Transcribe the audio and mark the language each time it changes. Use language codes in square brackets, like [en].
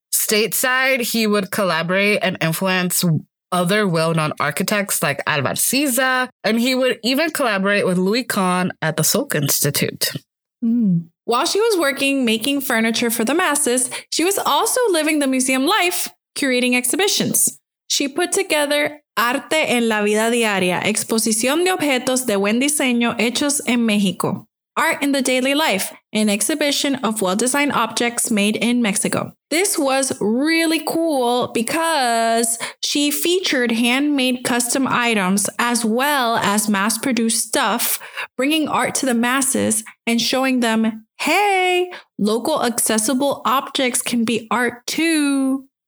[en] Stateside, he would collaborate and influence other well-known architects like Álvar Siza, and he would even collaborate with Louis Kahn at the Salk Institute. Mm. While she was working, making furniture for the masses, she was also living the museum life, curating exhibitions. [es] She put together Arte en la Vida Diaria, Exposición de Objetos de Buen Diseño Hechos en México. [en] Art in the Daily Life, an exhibition of well-designed objects made in Mexico. This was really cool because she featured handmade custom items as well as mass-produced stuff, bringing art to the masses and showing them, hey, local accessible objects can be art too.